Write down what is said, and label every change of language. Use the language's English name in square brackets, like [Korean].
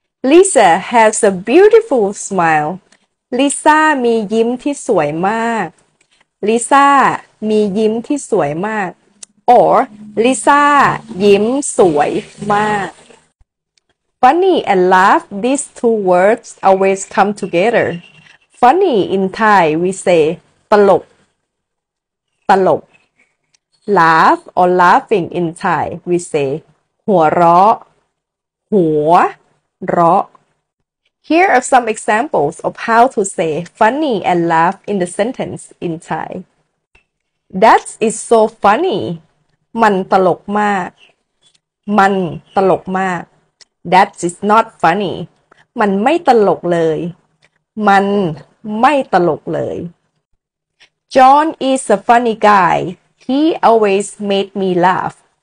[English] Lisa has a beautiful smile Lisa [Thai] มียิ้มที่สวยมาก Lisa มียิ้มที่สวยมาก [English] or Lisa [Thai] ยิ้มสวยมาก [English] Funny and laugh, these two words always come together. Funny in Thai, we say [Thai] ตลก ตลก. [English] Laugh or laughing in Thai, we say [Thai] หัวเราะ หัวเราะ. [English] Here are some examples of how to say funny and laugh in the sentence in Thai. That is so funny. [Thai] มันตลกมาก มันตลกมาก [English] That is not funny. [Thai] มันไม่ตลกเลย. มันไม่ตลกเลย. [English] John is a funny guy. He always made me laugh.